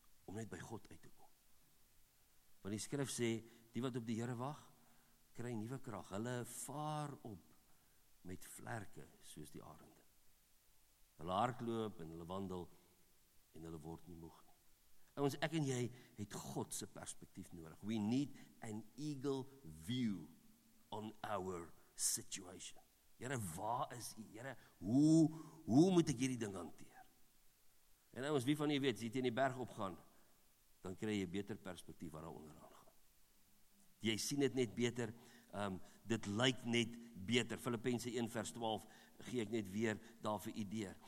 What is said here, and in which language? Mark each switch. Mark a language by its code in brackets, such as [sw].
[af] Om net by God uit te kom. Want die skrif sê, die wat op die Here wag, kry nuwe krag. Hulle vaar op met vlerke, soos die arende. Hulle hardloop en hulle wandel, en hulle word nie moeg nie. En ons, ek en jy, het God se perspektief nodig. [en] We need an eagle view on our situation. [af] Here, waar is u? Here, hoe moet ek hierdie ding hanteer? En ons, wie van u weet, as jy teen die berg opgaan, dan kry jy beter perspektief waar daar onderaan gaan. Jy sien dit net beter, dit lyk net beter. Filippense 1 vers 12 gee ek net weer daar vir u deur.